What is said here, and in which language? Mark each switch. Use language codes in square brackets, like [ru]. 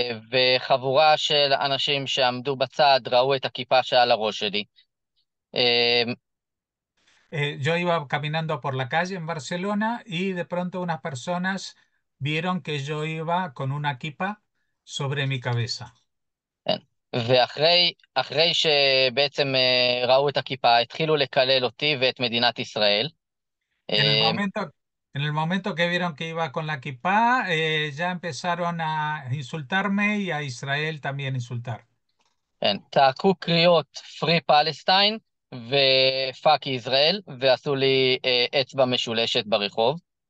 [he] וחבורה של אנשים שעמדו בצד ראו את הכיפה שעל הראש שלי. [es] Yo iba caminando por la calle en Barcelona y de pronto unas personas vieron que yo iba con una kippa sobre mi cabeza. [he] ואחרי שבעצם ראו את הכיפה, התחילו לקלל אותי ואת מדינת ישראל. [es] En el momento que vieron que iba con la kippah, ya empezaron a insultarme y a Israel también insultar. [he] צעקו קריאות [en] Free Palestine [he] ו- [en] Fuck Israel [he] ועשו לי אצבע משולשת ברחוב.